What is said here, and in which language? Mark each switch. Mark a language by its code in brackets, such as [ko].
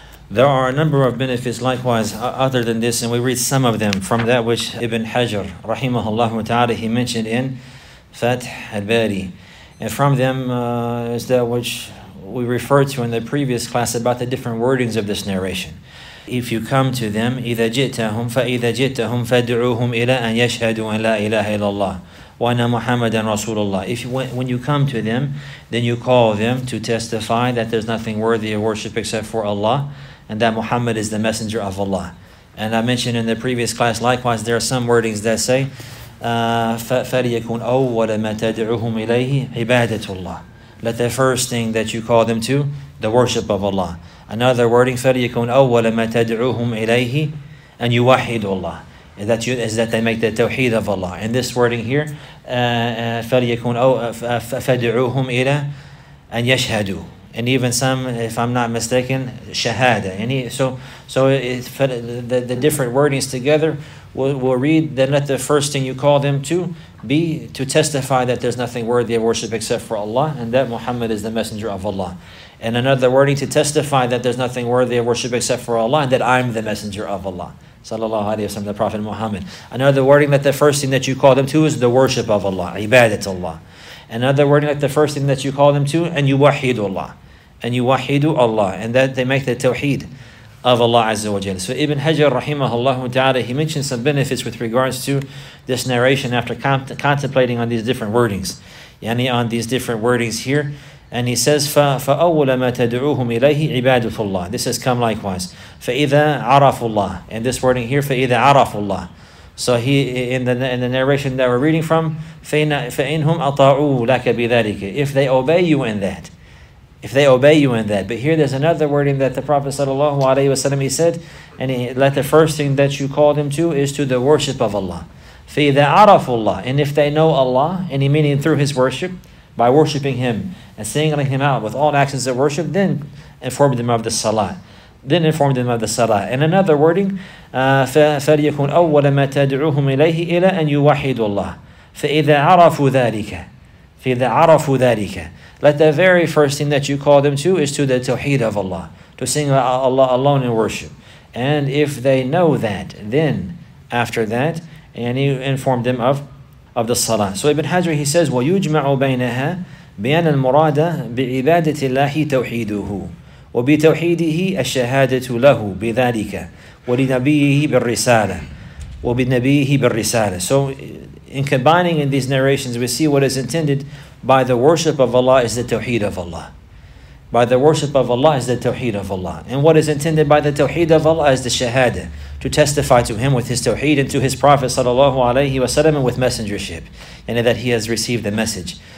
[en] There are a number of benefits likewise other than this, and we read some of them from that which Ibn Hajar rahimahullah ta'ala, he mentioned in Fath al-Bari. And from them is that which we referred to in the previous class about the different wordings of this narration. If you come to them, [ar] إِذَا جِئْتَهُمْ فَإِذَا جِئْتَهُمْ فَادْعُوهُمْ إِلَىٰ أَنْ يَشْهَدُوا أَنْ لَا إِلَهَ إِلَىٰ اللَّهِ وَأَنَّ مُحَمَّدًا رَسُولُ اللَّهِ. [en] If you, when you come to them, then you call them to testify that there's nothing worthy of worship except for Allah, and that Muhammad is the messenger of Allah. And I mentioned in the previous class, likewise, there are some wordings that say, [ar] فَلْيَكُنْ أَوَّلَ مَا تَدْعُوهُمْ إِلَيْهِ عِبَادَةُ اللَّهِ. [en] Let the first thing that you call them to, the worship of Allah. Another wording, [ar] فَلْيَكُنْ أَوَّلَ مَا تَدْعُوهُمْ إِلَيْهِ أَنْ يُوَحِدُوا اللَّهِ. [en] Is that they make the tawheed of Allah. And this wording here, [ar] فَلْيَكُنْ أَوْ فَدْعُوهُمْ إِلَىٰ أَنْ يَشْهَدُوا. [en] And even some, if I'm not mistaken, shahada. So the different wordings together, we'll read, then let the first thing you call them to be to testify that there's nothing worthy of worship except for Allah, and that Muhammad is the messenger of Allah. And another wording to testify that there's nothing worthy of worship except for Allah, and that I'm the messenger of Allah. Sallallahu alayhi wa sallam, the Prophet Muhammad. Another wording that the first thing that you call them to is the worship of Allah, ibadat Allah. Another wording like the first thing that you call them to, and yuwahidullah. And yuwahidullah. And that they make the tawheed of Allah Azza wa Jalla. So Ibn Hajar rahimahullahu ta'ala, he mentions some benefits with regards to this narration after contemplating on these different wordings. Yani on these different wordings here. And he says, [ar] فَأَوَّلَ مَا تَدْعُوهُمْ إِلَيْهِ عِبَادُ اللَّهِ. [en] This has come likewise. [ar] فَإِذَا عَرَفُ اللَّهِ. [en] And this wording here, [ar] فَإِذَا عَرَفُ اللَّهِ. [en] So he in the narration that we're reading from, [ar] فَإِنْهُمْ أَطَاعُوا لَكَ بِذَلِكَ. [en] If they obey you in that. If they obey you in that. But here there's another wording that the Prophet sallallahu alayhi wa sallam, he said, and he, let the first thing that you call them to is to the worship of Allah. [ar] فَإِذَا عَرَفُ اللَّهِ. [en] And if they know Allah, and he meaning through his worship, by worshiping him and singling him out with all actions of worship, then inform them of the salah. Then inform them of the salah. And another wording, [ar] فَلْيَكُنْ أَوَّلَ مَا تَدْعُوهُمْ إِلَيْهِ إِلَىٰ أَنْ يُوَحِدُوا اللَّهِ فَإِذَا عَرَفُوا ذَلِكَ. فَإِذَا عَرَفُوا ذَلِكَ. [en] Let the very first thing that you call them to is to the tawheed of Allah, to sing Allah alone in worship. And if they know that, then after that, and you inform them of the salah. So Ibn Hajar, he says, [ar] وَيُجْمَعُ بَيْنَهَا بِأَنَ الْمُرَادَ بِعِبَادَةِ اللَّهِ تَوْحِيدُهُ وَبِتَوْحِيدِهِ الشَّهَادَةُ لَهُ بِذَلِكَ وَلِنَبِيِّهِ بِالرِّسَالَةِ وَبِنَبِيِّهِ بِالرِّسَالَةِ. [en] So in combining in these narrations, we see what is intended by the worship of Allah is the tawheed of Allah. By the worship of Allah is the tawheed of Allah. And what is intended by the tawheed of Allah is the shahada, to testify to him with his tawheed and to his prophet sallallahu alayhi wa sallam and with messengership, and that he has received the message.